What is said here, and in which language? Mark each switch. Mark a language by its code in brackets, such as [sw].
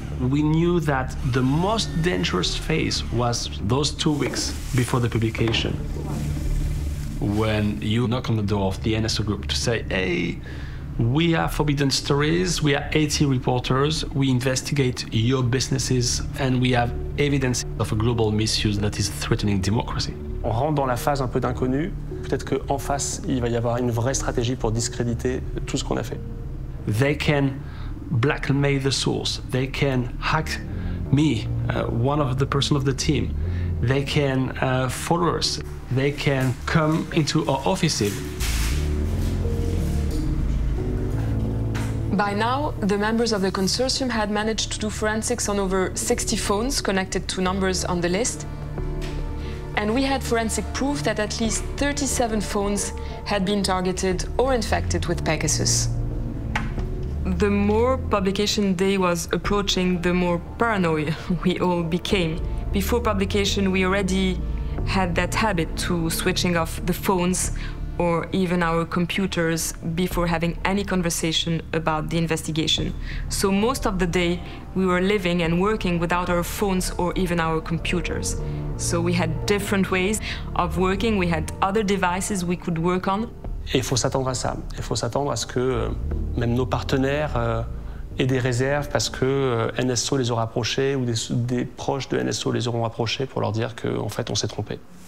[en] We knew that the most dangerous phase was those 2 weeks before the publication, when you knock on the door of the NSO Group to say, hey, we are Forbidden Stories, we are 80 reporters, we investigate your businesses, and we have evidence of a global misuse that is threatening democracy. [fr] On rentre dans la phase un peu d'inconnu. Peut-être qu'en face, il va y avoir une vraie stratégie pour discréditer tout ce qu'on a fait. [en] They can blackmail the source. They can hack me, one of the person of the team. They can follow us. They can come into our offices. By now, the members of the consortium had managed to do forensics on over 60 phones connected to numbers on the list. And we had forensic proof that at least 37 phones had been targeted or infected with Pegasus. The more publication day was approaching, the more paranoid we all became. Before publication, we already had that habit to switching off the phones or even our computers before having any conversation about the investigation. So most of the day, we were living and working without our phones or even our computers. So we had different ways of working. We had other devices we could work on. [fr] Il faut s'attendre à ça. Il faut s'attendre à ce que même nos partenaires aient des réserves parce que NSO les aura approchés ou des proches de NSO les auront approchés pour leur dire qu'en fait, on s'est trompé.